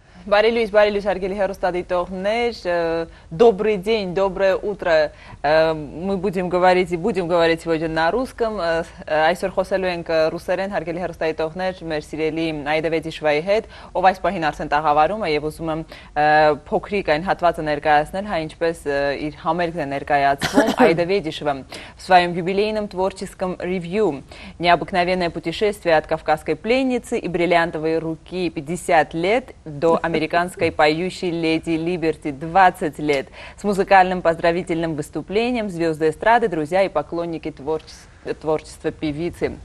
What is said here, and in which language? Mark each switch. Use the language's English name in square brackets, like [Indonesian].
[Armenian] Բարելույս հարգելի հեռուստադիտողներ, [Russian] добрый день, доброе утро. Мы будем говорить сегодня на русском. [Armenian] Այսօր խոսելու ենք ռուսերեն, հարգելի հեռուստադիտողներ, մեր սիրելի Այդավեդիշովայի հետ, ով այս պահին արդեն տաղավարում է, եւ ուզում եմ փոքրիկ այն հատվածը ներկայացնել, հա ինչպես իր համերգն է ներկայացվում Այդավեդիշովը [Russian] в своём юбилейном творческом ревью. Необыкновенное путешествие от Кавказской пленницы и бриллиантовой руки 50 лет до американской поющей леди Либерти 20 лет с музыкальным поздравительным выступлением звезды эстрады, друзья и поклонники творчества певицы.